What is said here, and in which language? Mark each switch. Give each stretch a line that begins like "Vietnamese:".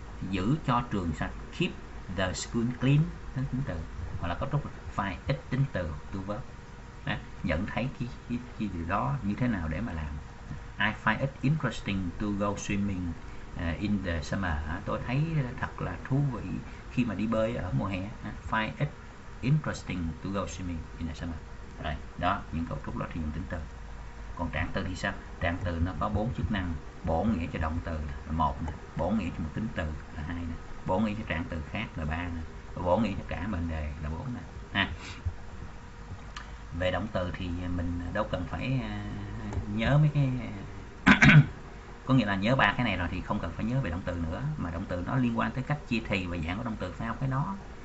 Vietnamese: Giữ cho trường sạch,
English: keep the school clean,
Vietnamese: đó tính từ. Hoặc là cấu trúc là phải ít tính từ, to verb. Đó, nhận thấy cái điều đó như thế nào để mà làm.
English: I find it interesting to go swimming in the summer,
Vietnamese: tôi thấy thật là thú vị khi mà đi bơi ở mùa hè.
English: Find it interesting to go swimming in the summer.
Vietnamese: Rồi, đó, những cấu trúc đó thì dùng tính từ. Còn trạng từ thì sao? Trạng từ nó có bốn chức năng: bổ nghĩa cho động từ là một, bổ nghĩa cho một tính từ là hai, bổ nghĩa cho trạng từ khác là ba, bổ nghĩa cho cả mệnh đề là bốn. À, về động từ thì mình đâu cần phải nhớ mấy cái có nghĩa là nhớ ba cái này rồi thì không cần phải nhớ về động từ nữa, mà động từ nó liên quan tới cách chia thì và dạng của động từ phải học cái đó.